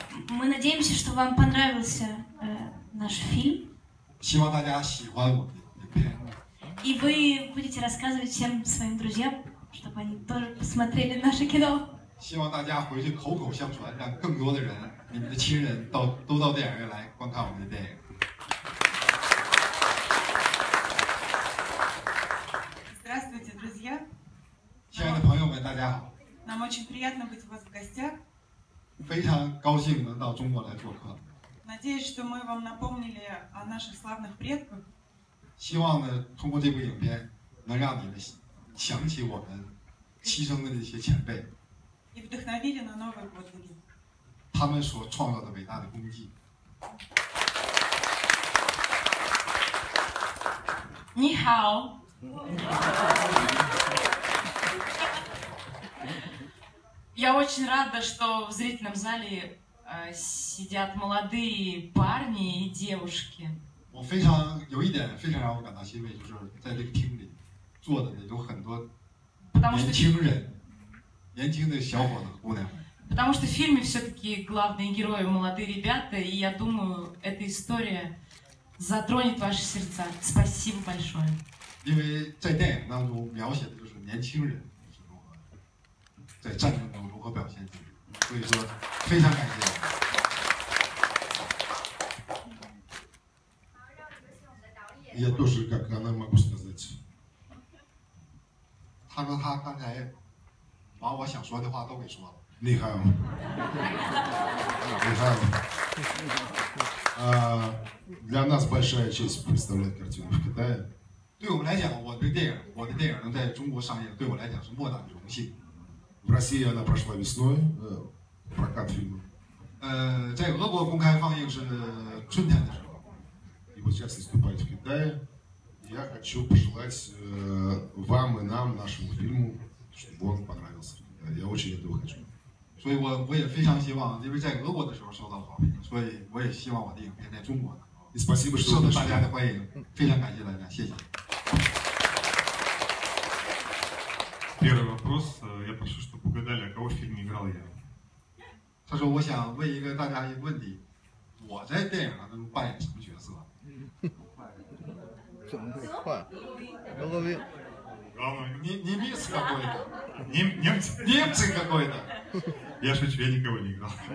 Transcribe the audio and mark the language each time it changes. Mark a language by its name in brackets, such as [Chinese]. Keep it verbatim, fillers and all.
[Russian] Мы надеемся, что вам понравился наш фильм. [Chinese] 希望大家喜欢我们的影片。 [Russian] И вы будете рассказывать всем своим друзьям, чтобы они тоже посмотрели наше кино. [Chinese] 希望大家回去口口相传，让更多的人，你们的亲人到都到电影院来观看我们的电影。 [Russian] Здравствуйте, друзья. [Chinese] 亲爱的朋友们，大家好。 [Russian] Нам очень приятно быть у вас в гостях. [Chinese] 非常高兴能到中国来做客。 [Russian] Надеюсь, что мы вам напомнили о наших славных предках. [Chinese] 希望呢，通过这部影片，能让你们想起我们牺牲的那些前辈。 [Russian] И вдохновили на новые подвиги. [Chinese] 他们所创造的伟大的功绩。你好。 [Russian] Я очень рада, что в зрительном зале э, сидят молодые парни и девушки. [Chinese] 我非常有一点非常让我感到欣慰，就是在这个厅里坐的有很多年轻人、年轻的小伙子、姑娘们。 [Russian] Потому что в фильме все-таки главные герои молодые ребята, и я думаю, эта история затронет ваши сердца. Спасибо большое. [Chinese] 因为在电影当中描写的就是年轻人是如何在战争中如何表现自己，所以说非常感谢。 [Russian] Я тоже, как она могу сказать. [Chinese] 他说他刚才把我想说的话都给说了。厉害吗？厉害吗？ [Russian] А, для нас большая честь представлять картину в Китае. [Chinese] 对我们来讲，我的电影，我的电影能在中国上映，对我来讲是莫大的荣幸。 [Russian] В России она прошла весной, прокат фильма. [Chinese] 呃，在俄国公开放映是春天的时候。 [Russian] И вот сейчас выступает в Китае. Я хочу пожелать вам и нам, нашему фильму, чтобы он понравился. Я очень этого хочу. [Chinese] 所以我我也非常希望，因为在俄国的时候受到好评，所以我也希望我的影片在中国受到大家的欢迎。非常感谢大家，谢谢。 [Russian] Первый вопрос, я прошу, чтобы угадали, а кого в фильме играл я. [Chinese] 他说，我想问一个大家一个问题，我在电影上中扮演什么角色？ [Russian] Главное, не немец какой-то, Нем, немцы, немцы какой-то. Я шучу, я никого не играл.